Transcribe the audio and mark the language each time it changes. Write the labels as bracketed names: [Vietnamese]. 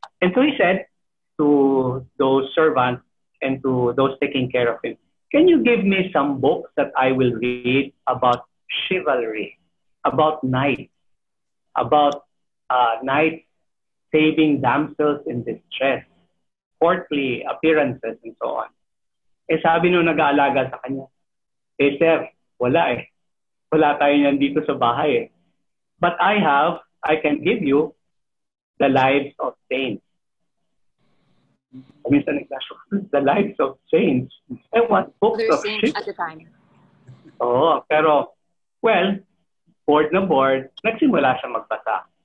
[English] And so he said to those servants and to those taking care of him, can you give me some books that I will read about chivalry, about knights, about knights saving damsels in distress, courtly appearances, and so on. [Filipino] Eh, sabi nung nag-aalaga sa kanya, eh, sir, wala eh. Wala tayo niyan dito sa bahay eh. [English] But I can give you the lives of saints. Mm-hmm. I mean, the lives of saints. And what books of saints at the time. [Filipino] Oh, pero, well, bored na bored, nagsimula siya magbasa.